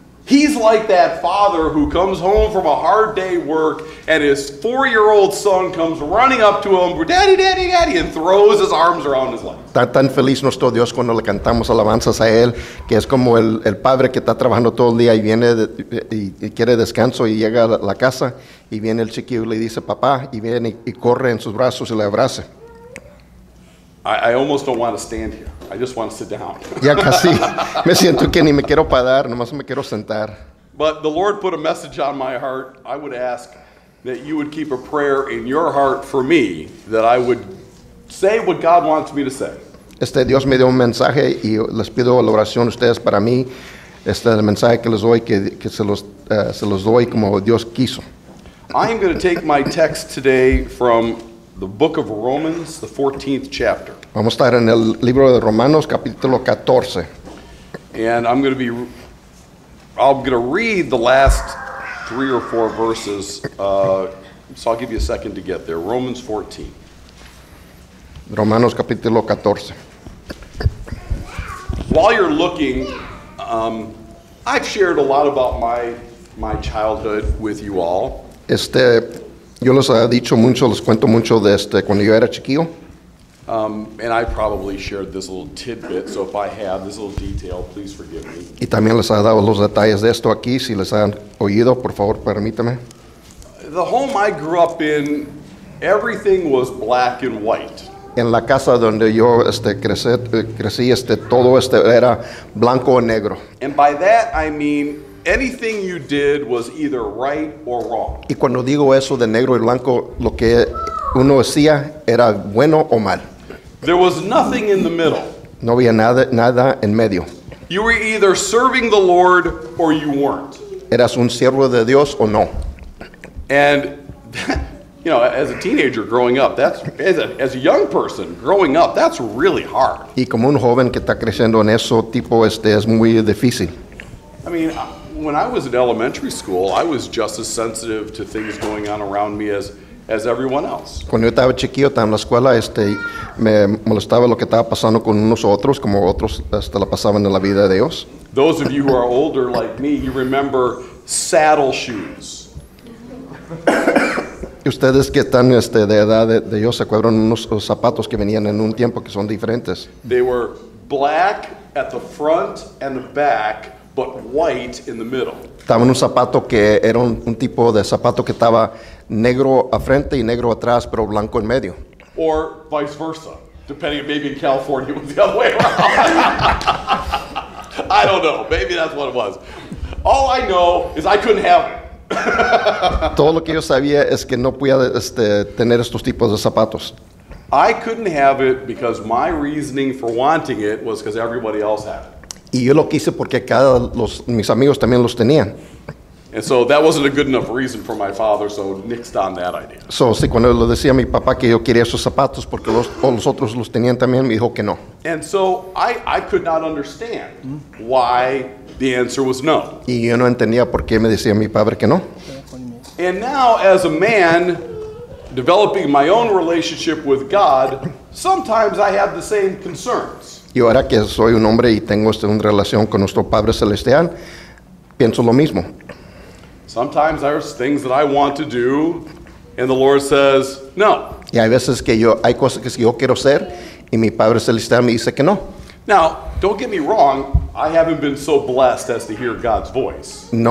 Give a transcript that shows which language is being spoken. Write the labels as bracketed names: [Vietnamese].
[English] He's like that father who comes home from a hard day work and his four-year-old son comes running up to him, daddy, daddy, daddy, and throws his arms around his legs. [Spanish] Está tan feliz nuestro Dios cuando le cantamos alabanzas a él, que es como el padre que está trabajando todo el día y viene y quiere descanso y llega a la casa y viene el chiquillo y le dice papá y viene y corre en sus brazos y le abraza. [English] I almost don't want to stand here. I just want to sit down. [Spanish] Ya casi. Me siento que ni me quiero parar. Nomás me quiero sentar. [English] But the Lord put a message on my heart. I would ask that you would keep a prayer in your heart for me, that I would say what God wants me to say. [Spanish] Dios me dio un mensaje y les pido la oración a ustedes para mí. El mensaje que les doy, que se los doy como Dios quiso. [English] I am going to take my text today from the book of Romans, the 14th chapter. [Spanish] Vamos a estar en el libro de Romanos, capítulo 14. [English] And I'm going to read the last three or four verses. So I'll give you a second to get there. Romans 14. [Spanish] Romanos, capítulo 14. [English] While you're looking, I've shared a lot about my childhood with you all. [Spanish] Yo les he dicho mucho, les cuento mucho de cuando yo era chiquillo. [English] And I probably shared this little tidbit, so if I have this little detail, please forgive me. [Spanish] Y también les he dado los detalles de esto aquí, si les han oído, por favor, permítame. [English] The home I grew up in, everything was black and white. [Spanish] En la casa donde yo crecí, todo era blanco o negro. [English] And by that I mean anything you did was either right or wrong. [Spanish] Y cuando digo eso de negro y blanco, lo que uno hacía era bueno o mal. [English] There was nothing in the middle. [Spanish] No había nada, nada en medio. [English] You were either serving the Lord or you weren't. [Spanish] Eras un siervo de Dios o no. [English] And that, you know, as a teenager growing up, that's as a young person growing up, that's really hard. [Spanish] Y como un joven que está creciendo en eso tipo es muy difícil. [English] I mean, when I was in elementary school, I was just as sensitive to things going on around me as everyone else. [Spanish] Cuando yo estaba chiquito en la escuela, me molestaba lo que estaba pasando con unos otros, como otros la pasaban en la vida de ellos. [English] Those of you who are older like me, you remember saddle shoes. [Spanish] Ustedes que están de edad de yo se acuerdan unos zapatos que venían en un tiempo que son diferentes. [English] They were black at the front and the back, but white in the middle. [Spanish] Estaban un zapato que era un tipo de zapato que estaba negro a frente y negro atrás, pero blanco en medio. [English] Or vice versa, depending, maybe in California it was the other way around. I don't know, maybe that's what it was. All I know is I couldn't have it. [Spanish] Todo lo que yo sabía es que no podía tener estos tipos de zapatos. [English] I couldn't have it because my reasoning for wanting it was because everybody else had it. [Spanish] Y yo lo quise porque cada los mis amigos también los tenían. [English] And so that wasn't a good enough reason for my father, so nixed on that idea. [Spanish] So sí, cuando le decía a mi papá que yo quería esos zapatos porque los otros los tenían también, me dijo que no. [English] And so I could not understand why the answer was no. [Spanish] Y yo no entendía por qué me decía mi padre que no. [English] And now, as a man developing my own relationship with God, sometimes I have the same concerns. [Spanish] Y ahora que soy un hombre y tengo una relación con nuestro Padre Celestial, pienso lo mismo. [English] Sometimes there's things that I want to do, and the Lord says, no. [Spanish] Y hay veces que hay cosas que yo quiero hacer, y mi Padre Celestial me dice que no. [English] Now, don't get me wrong, I haven't been so blessed as to hear God's voice.